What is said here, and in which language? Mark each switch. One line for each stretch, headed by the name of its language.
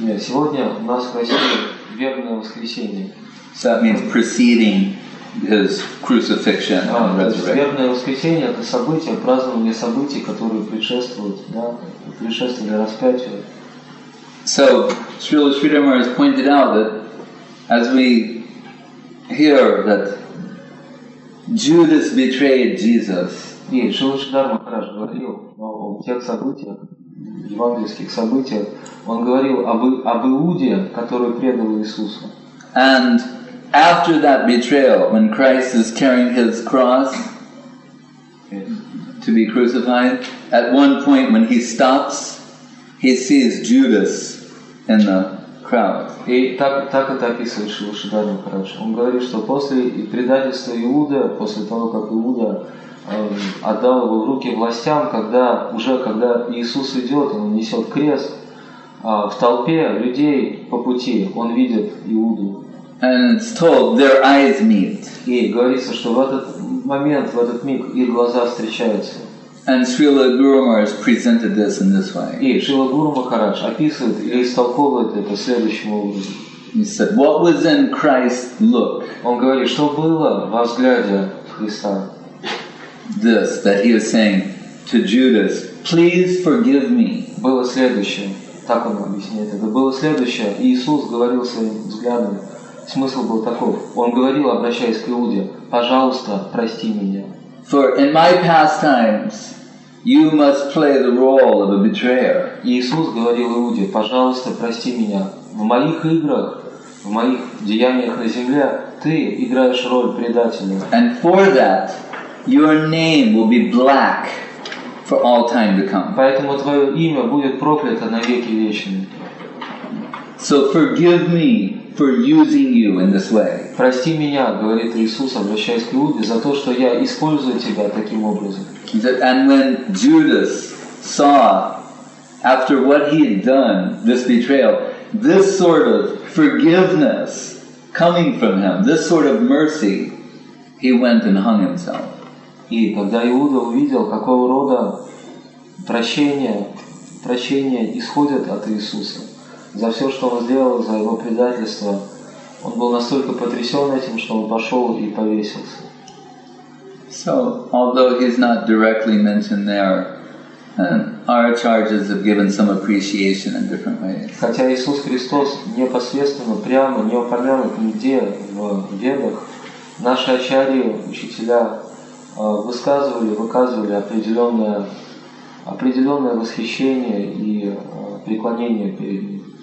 Russian: Yes, сегодня у нас в России Вербное воскресенье.
English: So that means preceding His crucifixion and resurrection.
Russian: Вербное воскресенье – это событие, празднование событий, которые предшествуют, да, предшествовали распятию.
English: So, Srila Sridhar Maharaj pointed out that as we hear that Judas betrayed Jesus.
Russian: И Srila Sridhar Maharaj говорил о тех событиях, евангельских событиях. Он говорил об Иуде, который предал Иисуса.
English: And after that betrayal, when Christ is carrying his cross to be crucified, at one point when he stops, he sees Judas in the crowd.
Russian: И так это описывает Шрила Шридхара Махарадж. Он говорит, что после предательства Иуды, после того, как Иуда отдал его в руки властям, когда Иисус идет, он несет крест, в толпе людей по пути он видит Иуду.
English: And it's told their eyes meet.
Russian: И говорится, что в этот момент, в этот миг, их глаза встречаются.
English: And Srila Guru Maharaj presented this in this way.
Russian: И Шрила Гуру Махарадж описывает или истолковывает это следующим образом.
English: He said, "What was in Christ's look?"
Russian: Он говорит, что было во взгляде Христа.
English: This that he was saying to Judas, "Please forgive me."
Russian: Было следующее. Так он объясняет. Это было следующее. Иисус говорил своим взглядом. Смысл был таков. Он говорил, обращаясь к Иуде, «Пожалуйста, прости меня».
English: For in my past times, you must play the role of a betrayer.
Russian: Иисус говорил Иуде, «Пожалуйста, прости меня. В моих играх, в моих деяниях на земле, ты играешь роль предателя».
English: And for that, your name will be black for all time to come.
Russian: Поэтому твое имя будет проклято навеки вечные.
English: So forgive me for using you in this way.
Russian: Прости меня, говорит Иисус, обращаясь к Иуде, за то, что я использую тебя таким образом.
English: And when Judas saw, after what he had done, this betrayal, this sort of forgiveness coming from him, this sort of mercy, he went and hung himself.
Russian: И когда Иуда увидел, какого рода прощение исходит от Иисуса, за все, что он сделал, за его предательство, он был настолько потрясен этим, что он пошел и повесился.
English: So, although he's not directly mentioned there, our charges have given some appreciation in different ways.
Russian: Хотя Иисус Христос непосредственно, прямо, не упомянут нигде в Ведах, наши ачарьи, учителя, выказывали определенное восхищение и преклонение перед ним.